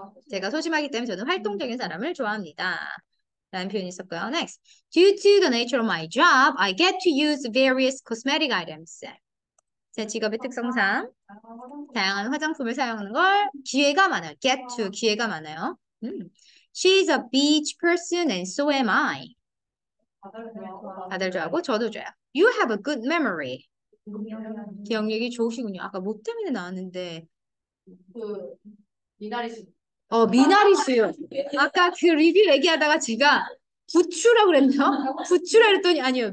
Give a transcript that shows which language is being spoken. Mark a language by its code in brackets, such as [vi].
[ko] 제가 소심하기 때문에 저는 활동적인 사람을 좋아합니다. 라는 표현이 있었고요. [en] Next. Due to the nature of my job, I get to use various cosmetic items. [ko] 제 직업의 특성상 다양한 화장품을 사용하는 걸 기회가 많아요. [en] Get to, [ko] 기회가 많아요. [en] She's a beach person and so am I. [ko] 다들 좋아하고 저도 좋아요. [en] You have a good memory. [ko] 기억력이 좋으시군요. 아까 뭐 때문에 나왔는데 미나리수. 미나리수요. 아까 그 리뷰 얘기하다가 제가 부추라 그랬나? 부추라 그랬더니 아니요.